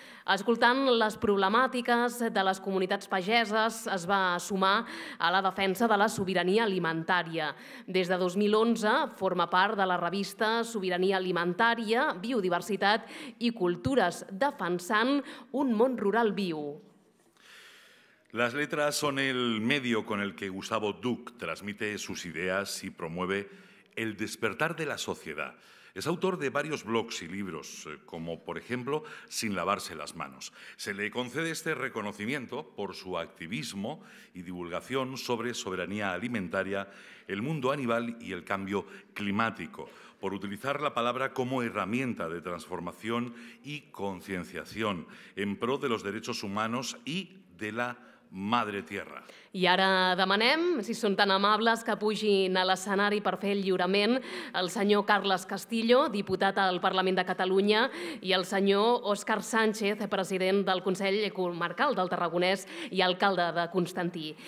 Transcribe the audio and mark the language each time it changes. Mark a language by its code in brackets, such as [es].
[ca] Escoltant les problemàtiques de les comunitats pageses, es va sumar a la defensa de la sobirania alimentària. Des de 2011 forma part de la revista Sobirania Alimentària, Biodiversitat i Cultures, defensant un món rural viu. [es] Las letras son el medio con el que Gustavo Duc transmite sus ideas y promueve el despertar de la sociedad. Es autor de varios blogs y libros, como por ejemplo Sin lavarse las manos. Se le concede este reconocimiento por su activismo y divulgación sobre soberanía alimentaria, el mundo animal y el cambio climático, por utilizar la palabra como herramienta de transformación y concienciación en pro de los derechos humanos y de la Madre Tierra. [ca] I ara demanem, si són tan amables, que pugin a l'escenari per fer el lliurament el senyor Carles Castillo, diputat al Parlament de Catalunya, i el senyor Òscar Sánchez, president del Consell Comarcal del Tarragonès i alcalde de Constantí.